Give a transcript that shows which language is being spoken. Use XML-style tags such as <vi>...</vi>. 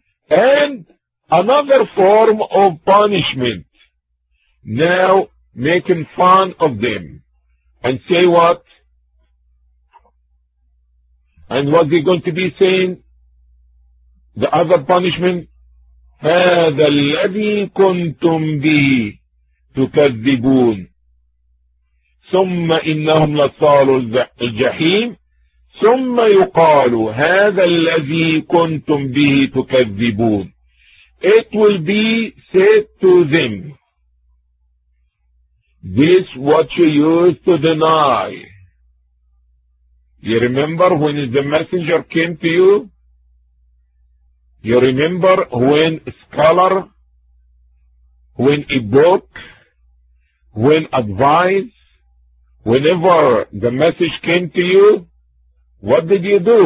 <en>And another form of punishment, now making fun of them, and say what? And what they're going to be saying, the other punishment,</en> <ar>هذا الذي كنتم به تكذبون ثم إنهم لصالوا الجحيم ثم يقالوا هذا الذي كنتم به تكذبون.</ar> <en>It will be said to them, this what you used to deny. You remember when the messenger came to you? You remember when a scholar, when a book, when advice, whenever the message came to you, what did you do?</en>